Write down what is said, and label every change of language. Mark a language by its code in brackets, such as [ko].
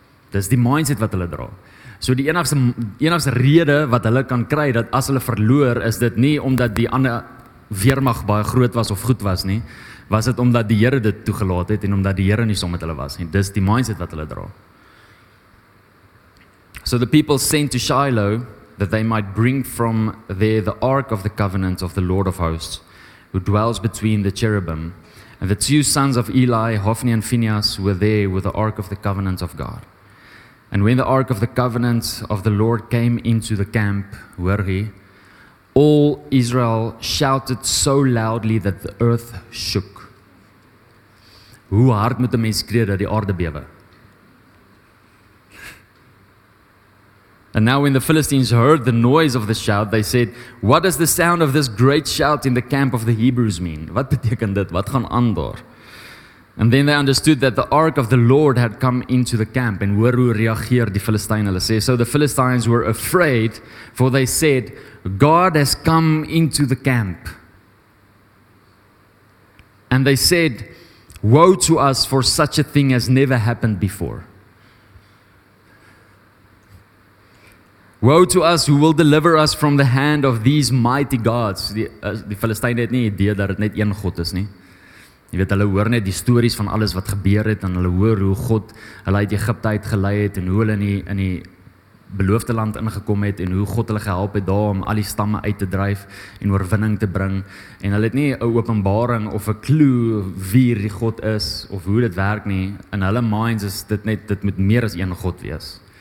[af] Dis die mindset wat hulle dra. So die enigste rede wat hulle kan kry, dat as hulle verloor, is dit nie omdat die ander weermag baie groot was of goed was nie, was dit omdat die Here dit toegelaat het en omdat die Here nie saam met hulle was nie. Dis die mindset wat hulle dra. [en] So the people sent to Shiloh that they might bring from there the ark of the covenant of the Lord of hosts, who dwells between the cherubim. And the two sons of Eli, Hophni and Phinehas, were there with the ark of the covenant of God. And when the ark of the covenant of the Lord came into the camp, all Israel shouted so loudly that the earth shook. [af] Hoe hard moet 'n mens skree dat die aarde bewe? [en] And now when the Philistines heard the noise of the shout, they said, "What does the sound of this great shout in the camp of the Hebrews mean?" [af] Wat beteken dit? Wat gaan aan daar? [en] And then they understood that the ark of the Lord had come into the camp. [af] En hoor hoe reageer die Filistyne. Hulle sê, [en] so the Philistines were afraid, for they said, God has come into the camp. And they said, woe to us, for such a thing has never happened before. Woe to us who will deliver us from the hand of these mighty gods. [af] Die Filistyne het nie idee dat dit net een God is nie. Jy weet, hulle hoor net die stories van alles wat gebeur het, en hulle hoor hoe God hulle uit Egipte uitgelei het, en hoe hulle in die beloofde land ingekom het, en hoe God hulle gehelp het daar om al die stamme uit te dryf en oorwinning te bring. En hulle het nie 'n openbaring of 'n clue wie die God is of hoe dit werk nie. In hulle minds is dit net, dit moet meer as een God wees.